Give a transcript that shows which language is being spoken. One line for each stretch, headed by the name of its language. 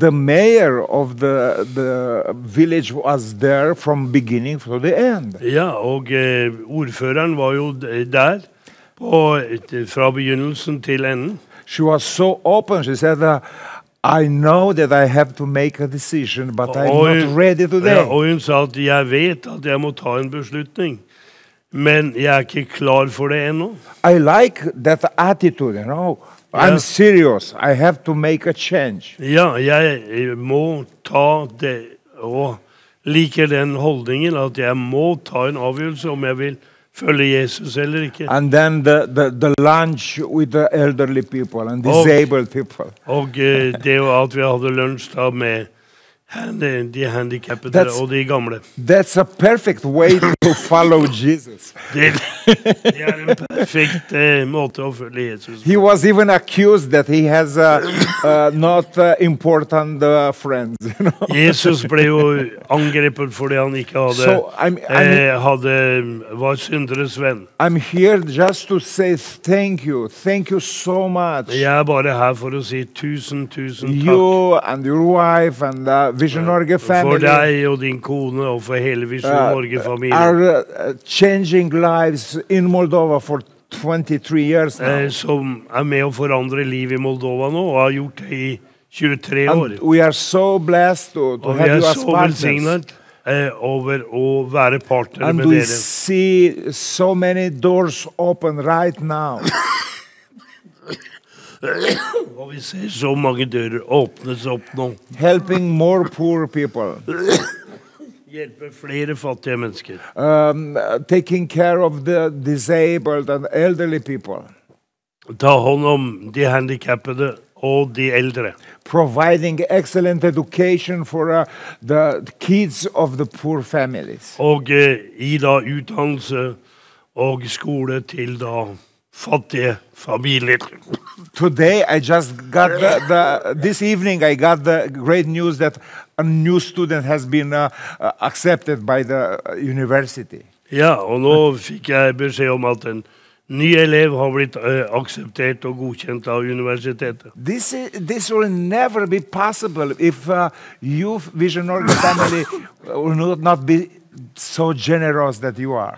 English: The mayor of the village was there from beginning to the end.
Norwegian: Ja, og ordføreren var jo der fra begynnelsen til enden.
English: She was so open. She said, I know that I have to make a decision, but I'm not ready today.
Norwegian: Ja, og hun sa at jeg vet at jeg må ta en beslutning, men jeg ikke klar for det ennå.
English: I like that attitude, you know. Ja. I'm serious. I have to make a change.
Norwegian: Ja, jeg må ta det, og liker den holdningen at jeg må ta en avgjørelse om jeg vil følge Jesus eller ikke.
English: And then the lunch with the elderly people and disabled people.
Norwegian: Og det var at vi hadde lunch da med de handicappede og de gamle.
English: That's a perfect way to follow Jesus.
Norwegian: Det en perfekt måte å følge Jesus.
English: He was even accused that he has not important friends. You know?
Norwegian: Jesus ble jo angrepet fordi han ikke hadde, var synderes venn.
English: I'm here just to say thank you. Thank you so much.
Norwegian: Jeg bare her for å si tusen, tusen takk.
English: You and your wife and Vision Norge family.
Norwegian: For deg og din kone og for hele Vision Norge familien.
English: Are changing lives in Moldova for 23 years now.
Norwegian: Som med å forandre liv i Moldova nå og har gjort det i 23 år.
English: And we are so blessed to have you as partners.
Norwegian: Og vi er så velsignet over å være partner med dere.
English: And we see so many doors open right now.
Norwegian: Og vi ser så mange dører åpnes opp nå.
English: Helping more poor people.
Norwegian: Hjelper flere fattige mennesker.
English: Taking care of the disabled and elderly people.
Norwegian: Ta hånd om de handicappede og de eldre.
English: Providing excellent education for the kids of the poor families.
Norwegian: Og gi da utdannelse og skole til da fattige familier.
English: Today I just got this evening I got the great news that a new student has been accepted by the university.
Norwegian: Ja, og nå fikk jeg beskjed om at en ny elev har blitt akseptert og godkjent av universitetet.
English: This will never be possible if you Vision Norge family will not be so generous that you are.